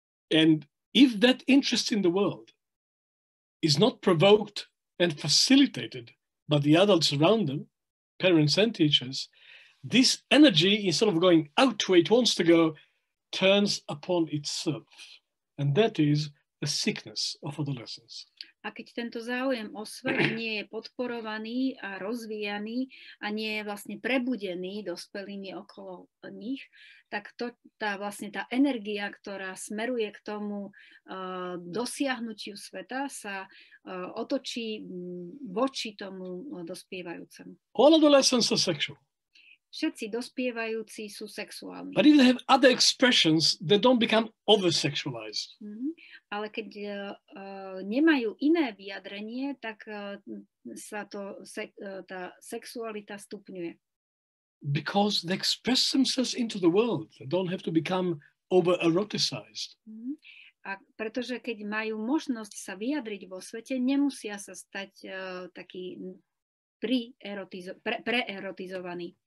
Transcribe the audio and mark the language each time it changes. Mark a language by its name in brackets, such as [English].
[English] And if that interest in the world is not provoked and facilitated by the adults around them, parents and teachers, this energy, instead of going out where it wants to go, turns upon itself. And that is the sickness of adolescence. [Slovak] A keď tento záujem o svet nie je podporovaný a rozvíjaný a nie je vlastne prebudený dospelými okolo nich, tak to, tá vlastne tá energia, ktorá smeruje k tomu dosiahnutiu sveta, sa otočí voči tomu dospievajúcemu. [English] All adolescents are sexual. [Slovak] Všetci dospievajúci sú sexuálni. [English] But if they have other expressions, they don't become over-sexualized. Mm-hmm. [Slovak] Ale keď nemajú iné vyjadrenie, tak sa to tá sexualita stupňuje. [English] Because they express themselves into the world. They don't have to become over-eroticized. Mm-hmm. [Slovak] A pretože keď majú možnosť sa vyjadriť vo svete, nemusia sa stať taký preerotizovaný.